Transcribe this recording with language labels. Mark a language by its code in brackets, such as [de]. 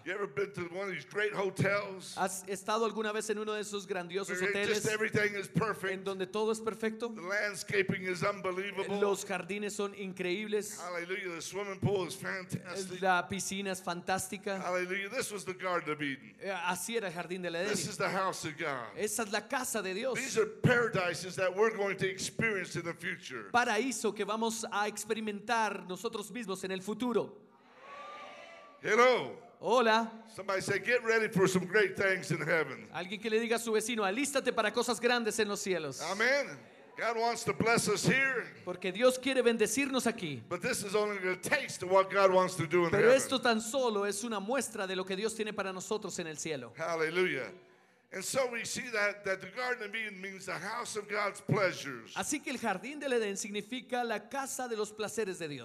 [en] You ever been to one of these great hotels? [es] ¿Has estado alguna vez en uno de esos grandiosos hoteles? [en] Just everything is perfect. [es] En donde todo es perfecto. [en] The landscaping is unbelievable. [es] Los jardines son increíbles. [en] Hallelujah. The swimming pool is fantastic. [es] La piscina es fantástica. [en] Hallelujah. This was the Garden of Eden. [es] Así era el jardín del Edén. [en] This is the house of God. [es] Esa es la casa de Dios. [en] These are paradises that we're going to experience in the future. [es] Paraíso que vamos a experimentar nosotros mismos en el futuro. [en] Hello. [es] Hola. [en] Somebody say, get ready for some great things in heaven. [es] Alguien que le diga a su vecino, alístate para cosas grandes en los cielos. [en] Amen. God wants to bless us here. [es] Porque Dios quiere bendecirnos aquí. [en] But this is only a taste of what God wants to do in [es] Pero [en] heaven. [es] Esto tan solo es una muestra de lo que Dios tiene para nosotros en el cielo. [en] Hallelujah. And so we see that the Garden of Eden means the house of God's pleasures. [es] Así que el jardín del Edén significa la casa de los placeres de Dios.